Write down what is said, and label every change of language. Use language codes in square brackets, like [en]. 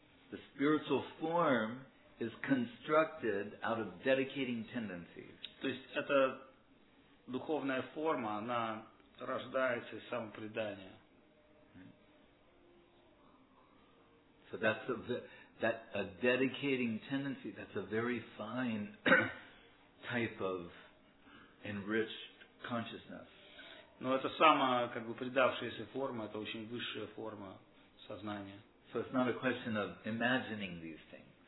[en] The spiritual form is constructed out of dedicating tendencies. [ru] То есть эта духовная форма, она рождается из самопредания. [en] So that's a dedicating tendency. That's a very fine type of enriched consciousness. [ru] Но это самая как бы предавшаяся форма, это очень высшая форма сознания. [en] So it's not a question of imagining these things.